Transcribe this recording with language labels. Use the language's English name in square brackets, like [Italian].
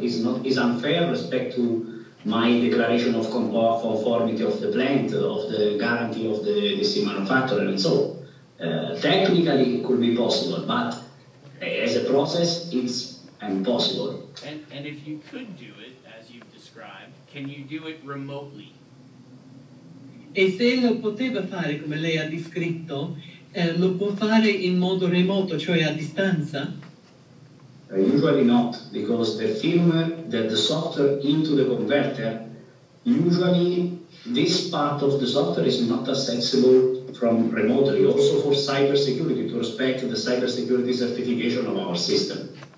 [English] It's unfair respect to my declaration of conformity of the plant, of the guarantee of the DC manufacturer, and so technically it could be possible, but as a process it's impossible. And if you could do it as you've described, can you do it remotely? [Italian] E se lo poteva fare come lei ha descritto, lo può fare in modo remoto, cioè a distanza? [English] Usually not, because the firmware, the software into the converter, usually this part of the software is not accessible from remotely, also for cybersecurity, to respect the cybersecurity certification of our system.